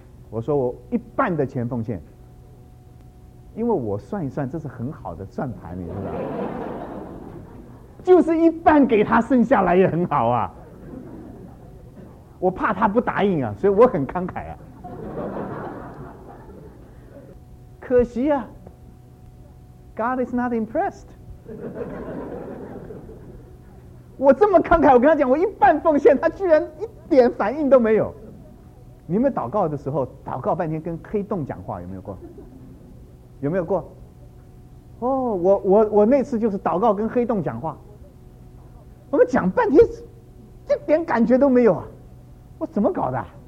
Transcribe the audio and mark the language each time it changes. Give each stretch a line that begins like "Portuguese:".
Chinese: 我说我一半的钱奉献，因为我算一算，这是很好的算盘，你知道吗？就是一半给他，剩下来也很好啊。我怕他不答应啊，所以我很慷慨啊。可惜啊，
English: God is not impressed。
Chinese: 我这么慷慨，我跟他讲我一半奉献，他居然一点反应都没有。你们祷告的时候祷告半天跟黑洞讲话，有没有过？有没有过？哦，我那次就是祷告跟黑洞讲话，我们讲半天一点感觉都没有啊！我怎么搞的？